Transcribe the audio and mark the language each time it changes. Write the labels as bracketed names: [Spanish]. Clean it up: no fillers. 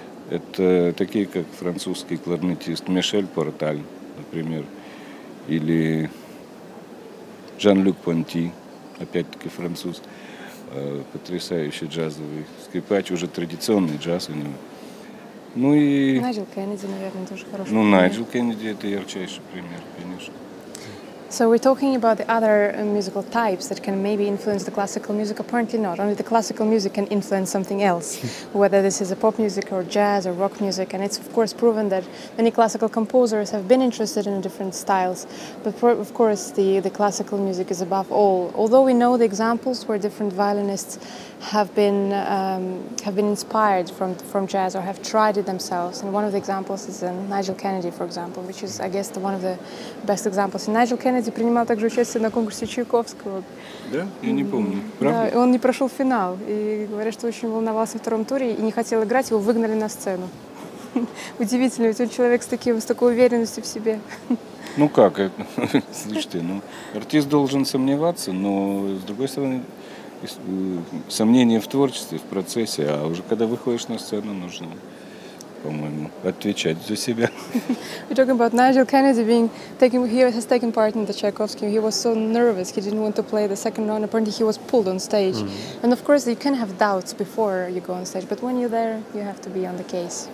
[Russian] Это такие, как французский кларнетист Мишель Порталь, например, или Жан-Люк Понти, опять-таки француз, потрясающий джазовый скрипач, уже традиционный джаз у него. Ну и... Найджел Кеннеди, наверное, тоже хороший. Ну, Найджел Кеннеди – это ярчайший пример, конечно. [English] So we're talking about the other musical types that can maybe influence the classical music. Apparently not. Only the classical music can influence something else, whether this is a pop music or jazz or rock music. And it's of course proven that many classical composers have been interested in different styles. But of course the classical music is above all. Although we know the examples where different violinists have been inspired from jazz or have tried it themselves. And one of the examples is in Nigel Kennedy, for example, which is, I guess, one of the best examples. And [Russian] Nigel Kennedy принимал также участие на конкурсе Чайковского. Да? Я не помню. Правда? Да, он не прошел финал. И говорят, что очень волновался во втором туре и не хотел играть, его выгнали на сцену. Удивительно, ведь он человек с такой уверенностью в себе. Ну как? Слушайте, ну, артист должен сомневаться, но, с другой стороны, сомнения в творчестве, в процессе, а уже когда выходишь на сцену, нужно... [English] We're talking about Nigel Kennedy has taken part in the Tchaikovsky. He was so nervous, he didn't want to play the second round. Apparently he was pulled on stage. Mm-hmm. And of course you can have doubts before you go on stage, but when you're there, you have to be on the case.